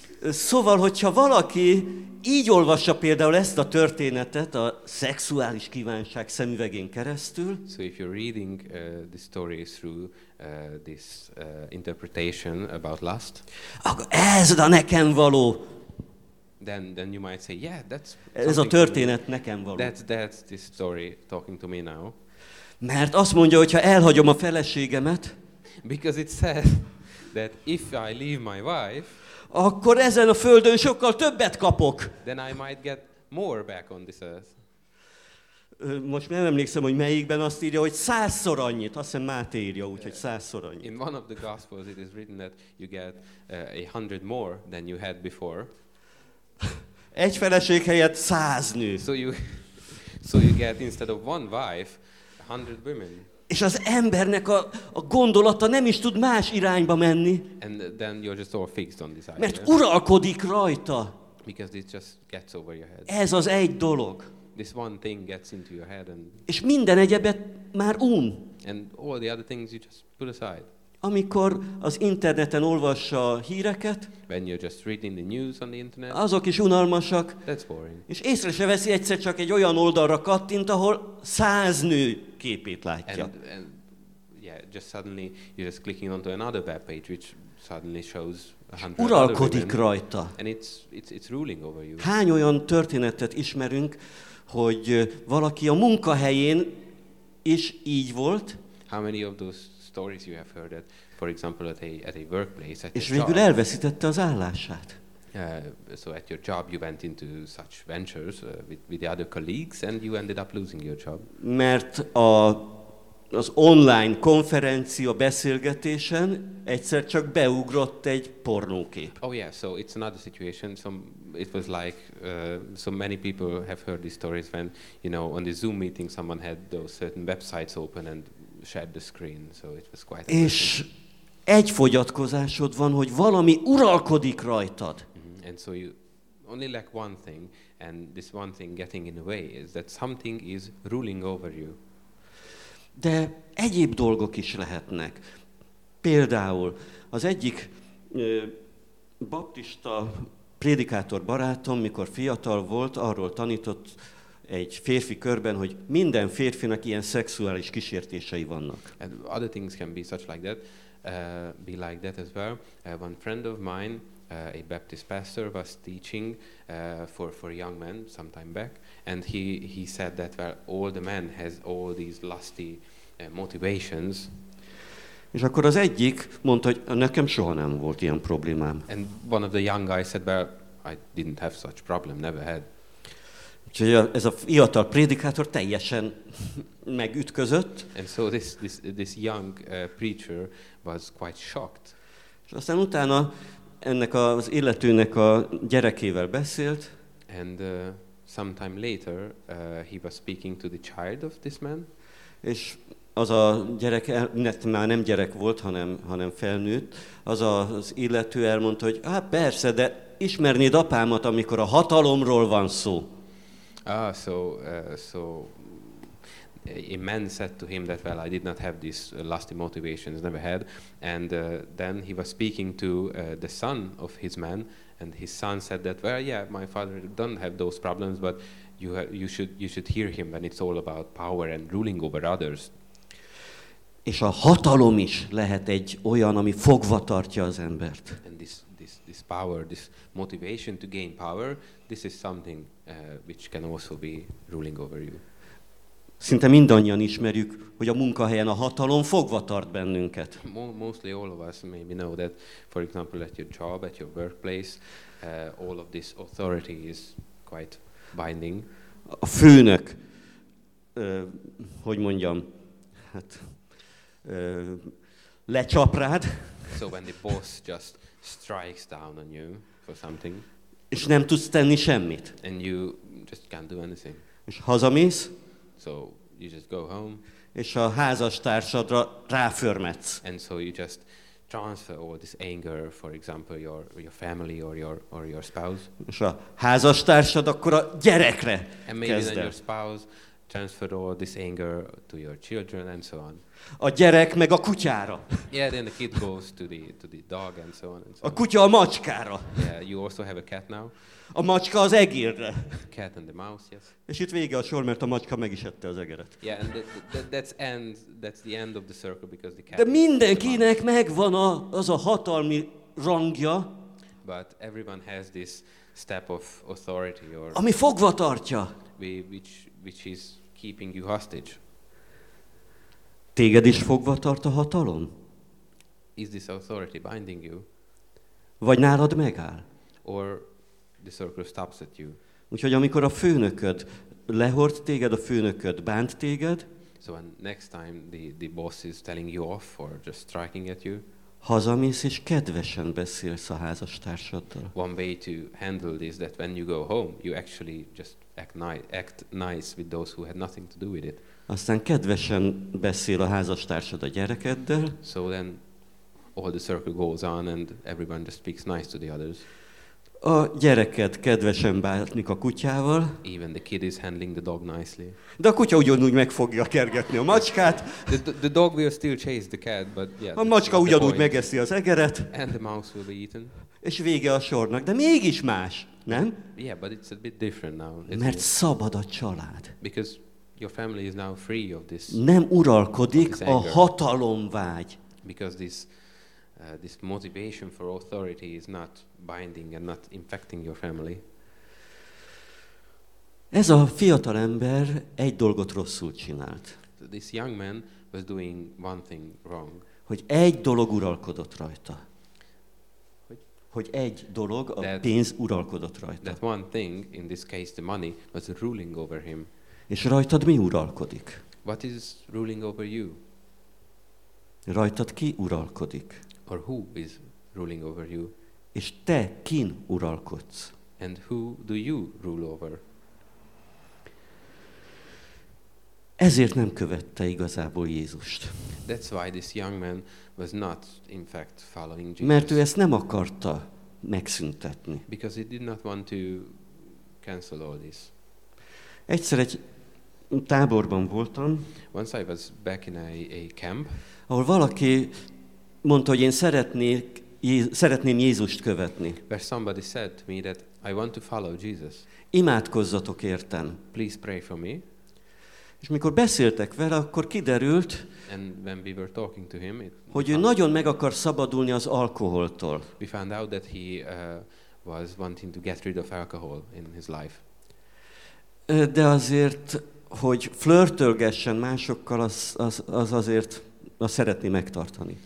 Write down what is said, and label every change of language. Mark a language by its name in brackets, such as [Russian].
[Hungarian] Szóval, hogyha valaki így olvassa például ezt a történetet a szexuális kívánság szemüvegén keresztül. [English] So if you're reading the story through this interpretation about lust. [Hungarian] Akkor ez a nekem való. [English] Then you might say, yeah, that's. [Hungarian] Ez a történet nekem való. [English] That's this story talking to me now. [Hungarian] Mert azt mondja, hogyha elhagyom a feleségemet. [English] Because it says that if I leave my wife. [Hungarian] Akkor ezen a földön sokkal többet kapok. [English] Then I might get more back on this earth. [Hungarian] Most nem emlékszem, hogy melyikben azt írja, hogy százszor annyit. Azt hiszem Máté írja, úgyhogy százszor annyit. [English] In one of the Gospels it is written that you get 100 more than you had before. [Hungarian] Egy feleség helyett 100 nő. [English] So you get instead of one wife, 100 women. [Hungarian] És az embernek a gondolata nem is tud más irányba menni. [English] And then you're just all fixed on this idea. [Hungarian] Mert uralkodik rajta. [English] Because it just gets over your head. [Hungarian] Ez az egy dolog. [English] This one thing gets into your head and. [Hungarian] És minden egyebet már un. [English] And all the other things you just put aside. [Hungarian] Amikor az interneten olvassa a híreket, [English] when you're just reading the news on the internet, [Hungarian] azok is unalmasak, [English] that's boring. [Hungarian] És észre se veszi egyszer csak egy olyan oldalra kattint, ahol 100 nő képét látja. [English] And yeah, just suddenly you're just clicking onto another web page, which suddenly shows 100. [Hungarian] Uralkodik rajta. [English] And it's ruling over you. [Hungarian] Hány olyan történetet ismerünk, hogy valaki a munkahelyén is így volt? [English] How many of those stories you have heard that, for example, at a workplace, at [Hungarian] és végül elveszítette az állását. [English] So at your job you went into such ventures with the other colleagues and you ended up losing your job. [Hungarian] Mert az online konferencia beszélgetésen egyszer csak beugrott egy pornókép. [English] Oh yeah, so it's another situation. It was like so many people have heard these stories when, you know, on the Zoom meeting someone had those certain websites open and shared the screen, so it was quite. [Hungarian] És egy fogyatkozásod van, hogy valami uralkodik rajtad. Mm-hmm. [English] And so you only lack one thing, and this one thing getting in the way is that something is ruling over you. [Hungarian] De egyéb dolgok is lehetnek. Például az egyik baptista prédikátor barátom, mikor fiatal volt, arról tanított egy férfi körben, hogy minden férfinak ilyen szexuális kísértései vannak. [English] And other things can be such like that, be like that as well. One friend of mine, a Baptist pastor, was teaching for young men some time back, and he said that well, all the men has all these lusty motivations. [Hungarian] És akkor az egyik mondta, hogy nekem soha nem volt ilyen problémám. [English] And one of the young guys said, well, I didn't have such problem, never had. [Hungarian] Úgyhogy ez a fiatal prédikátor teljesen megütközött. [English] And so this young preacher was quite shocked. [Hungarian] És aztán utána ennek az illetőnek a gyerekével beszélt. [English] And sometime later he was speaking to the child of this man. [Hungarian] És az a gyerek, már nem gyerek volt, hanem felnőtt, az az illető elmondta, hogy hát persze, de ismernéd apámat, amikor a hatalomról van szó. [English] Ah, so a man said to him that, well, I did not have these lusty motivations, never had, and then he was speaking to the son of his man, and his son said that, well, yeah, my father don't have those problems, but you should hear him when it's all about power and ruling over others. [Hungarian] És a hatalom is lehet egy olyan, ami fogva tartja az embert. [English] And this power, this motivation to gain power, this is something which can also be ruling over you. [Hungarian] Szinte mindannyian ismerjük, hogy a munkahelyen a hatalom fogva tart bennünket. [English] Mostly all of us maybe know that, for example, at your job, at your workplace, all of this authority is quite binding. [Hungarian] A főnök, hogy mondjam, hát lecsap rád. [English] So when the boss just strikes down on you for something. [Hungarian] És nem tudsz tenni semmit. [English] And you just can't do anything. [Hungarian] És hazamész. [English] So you just go home. [Hungarian] És a házastársadra ráförmetsz. [English] And so you just transfer all this anger, for example, your family or your spouse. [Hungarian] És a házastársad akkor a gyerekre kezd. [English] And maybe then your spouse transfer all this anger to your children and so on. [Hungarian] A gyerek meg a kutyára. [English] Yeah, then the kid goes to the dog and so on. And so [Hungarian] a kutya a macskára. [English] Yeah, you also have a cat now. [Hungarian] A macska az egérre. [English] Cat and the mouse, yes. [Hungarian] És itt vége a sor, mert a macska meg is ette az egeret. [English] Yeah, and that's the end of the circle because the cat. [Hungarian] De mindenkinek megvan az a hatalmi rangja. [English] But everyone has this step of authority or. [Hungarian] Ami fogva tartja. [English] Which is keeping you hostage. [Hungarian] Téged is fogva tart a hatalom? [English] Is this authority binding you? [Hungarian] Vagy nálad megáll? [English] Or the circle stops at you. [Hungarian] Úgyhogy amikor a főnököd lehort téged, a főnököd bánt téged, [English] so when next time the boss is telling you off or just striking at you, [Hungarian] hazamész és kedvesen beszélsz a házastársaddal. [English] One way to handle this that when you go home, you actually just act nice with those who had nothing to do with it. [Hungarian] Aztán kedvesen beszél a házastársad a gyerekeddel. [English] So then all the circle goes on and everyone just speaks nice to the others. [Hungarian] A gyereked kedvesen bántik a kutyával. [English] Even the kid is handling the dog nicely. [Hungarian] De a kutya ugyanúgy meg fogja kergetni a macskát. [English] The dog will still chase the cat, but yeah. [Hungarian] A macska ugyanúgy megeszi az egeret. [English] And the mouse will be eaten. [Hungarian] És vége a sornak, de mégis más. Nem? [English] Yeah, but it's a bit different now. [Hungarian] Mert szabad a család. [English] Because your family is now free of this. [Hungarian] Nem uralkodik a hatalomvágy. [English] Because this motivation for authority is not binding and not infecting your family. [Hungarian] Ez a fiatal ember egy dolgot rosszul csinált. [English] So this young man was doing one thing wrong. [Hungarian] Hogy egy dolog uralkodott rajta. Hogy egy dolog, a pénz uralkodott rajta. [English] That one thing, in this case the money, was ruling over him. [Hungarian] És rajtad mi uralkodik? [English] What is ruling over you? [Hungarian] Rajtad ki uralkodik? [English] Or who is ruling over you? [Hungarian] És te kin uralkodsz? [English] And who do you rule over? [Hungarian] Ezért nem követte igazából Jézust. [English] That's why this young man was not in fact following Jesus. [Hungarian] Mert ő ezt nem akarta megszüntetni. [English] Because he did not want to cancel all this. [Hungarian] Egyszer egy táborban voltam. [English] Once I was back in a camp. [Hungarian] Ahol valaki mondta, hogy én szeretnék szeretném Jézust követni. [English] Where somebody said to me that I want to follow Jesus. [Hungarian] Imádkozzatok értem. [English] Please pray for me. [Hungarian] És mikor beszéltek vele, akkor kiderült, [English] and when we were talking to him, [Hungarian] hogy ő nagyon meg akar szabadulni az alkoholtól. [English] We found out that he was wanting to get rid of alcohol in his life. [Hungarian] De azért, hogy flörtölgessen másokkal, az azért azt szeretné megtartani.